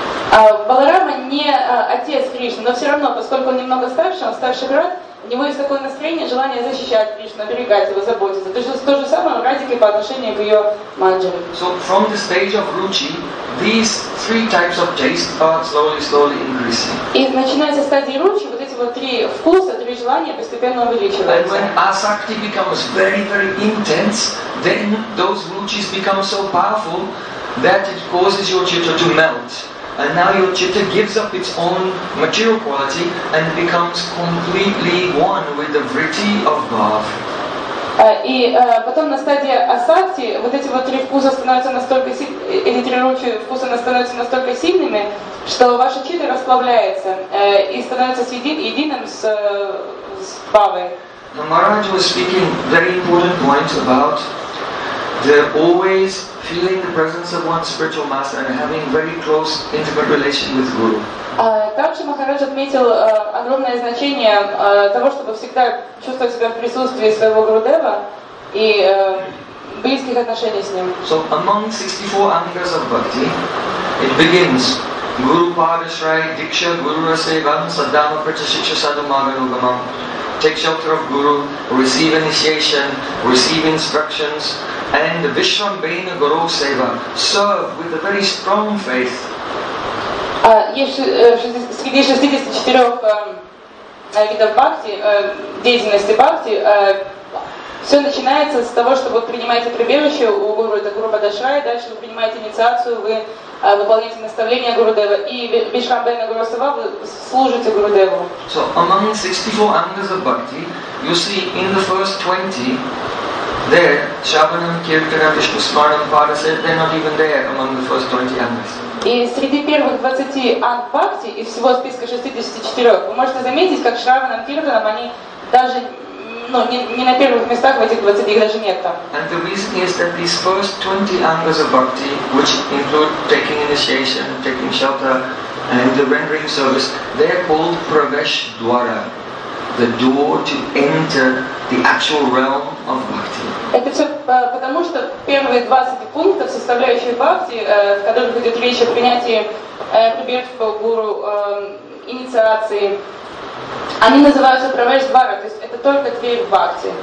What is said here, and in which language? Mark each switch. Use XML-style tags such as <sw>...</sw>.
<ru>Balarama не отец Кришны, но все равно, поскольку он немного старше, он старший брат, у него есть такое настроение, желание защищать Кришну, оберегать его, заботиться. То есть то же самое в Радике по отношению к ее манджере.</ru> <en>So from the stage of Ruchi, these three types of taste are slowly increasing.</en> <ru>И начиная со стадии Ruchi, вот эти вот три вкуса, три желания постепенно увеличиваются.</ru> <en>And when Asakti becomes very, very intense, then those Ruchis become so powerful that it causes your chitta to melt. And now your chitta gives up its own material quality and becomes completely one with the vritti of Bhav.</en> <ru>И потом на стадии асакти вот эти вот три вкуса становятся настолько сильными, эти три ручьи вкуса становятся настолько сильными, что ваша чита расплавляется и становится единым с Бхавой.</ru> <en>Now Maharaj was speaking very important points about the always feeling the presence of one's spiritual master and having very close intimate relation with Guru.</en> <ru>Также Махарадж отметил огромное значение того, чтобы всегда чувствовать себя в присутствии своего Гурудева и близких отношений с ним.</ru> <en>So among 64 angas of bhakti, it begins Guru Parishray, Diksha, Guru Rasevan, Saddhama, Pratishiksha, Saddhama, Ganugama. Take shelter of Guru, receive initiation, receive instructions, and Vishram Bhena Guru Seva, serve with a very strong faith.</en> <ru>Среди 64 видов бхакти, деятельности бхакти, все начинается с того, что вы принимаете прибежище у Гуру, это Гуру Падашрая, дальше вы принимаете инициацию, вы выполняете наставления Гуру Дева, и Вишрам Бхена Гуру Сева, вы служите Гуру Деву.</ru> <en>So, among 64 angas of bhakti, you see in the first 20, there, Shabanam, Kirtanam, Vishnu Smaranam, Parasa, they're not even there among the first 20 angas.</en> <ru>И среди первых 20 анг бхакти, из всего списка 64, вы можете заметить, как Шраванам, Киртанам, они даже не на первых местах в этих 20 даже нет там.</ru> <en>And the reason is that these first 20 angas of bhakti, which include taking initiation, taking shelter, and the rendering service, they are called pravesh dwara, the door to enter the actual realm of bhakti.</en> <ru>Это все потому, что первые 20 пунктов, составляющие бхакти, в которых идет речь о принятии прибежища гуру, инициации, они называются правеш двара, то есть это только дверь в бхакти.</ru>